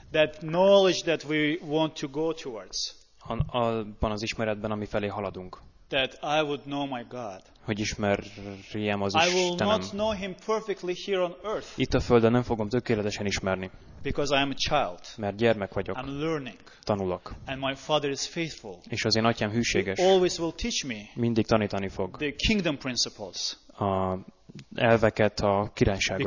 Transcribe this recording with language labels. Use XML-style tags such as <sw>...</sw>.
<en>That knowledge that we want to go towards.</en> <hu>Abban az ismeretben, ami felé haladunk.</hu> <en>That I would know my God.</en> <hu>Hogy ismerjem az Istenem.</hu> <en>I will not know him perfectly here on earth.</en> <hu>Itt a Földön nem fogom tökéletesen ismerni.</hu> <en>Because I am a child.</en> <hu>Mert gyermek vagyok.</hu> <en>I'm learning.</en> <hu>Tanulok.</hu> <en>And my father is faithful.</en> <hu>És az én atyám hűséges.</hu> <en>He always will teach me.</en> <hu>Mindig tanítani fog.</hu> <en>The kingdom principles.</en> <hu>A elveket a királyságról.</hu>